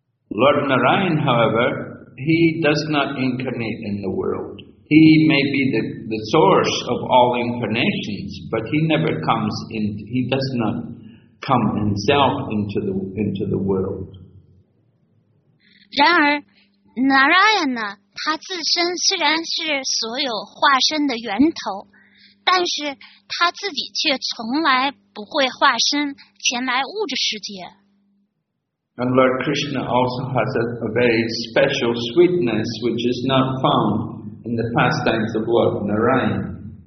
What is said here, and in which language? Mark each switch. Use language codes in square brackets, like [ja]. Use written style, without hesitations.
[en] Lord Narayana, however, he does not incarnate in the world. He may be the source of all incarnations, but he never comes in. He does not come himself into the world. [zh] 然而, Narayana, 他自身虽然是所有化身的源头，但是他自己却从来不会化身前来物质世界。 [en] And Lord Krishna also has a very special sweetness which is not found in the pastimes of Lord Narayana.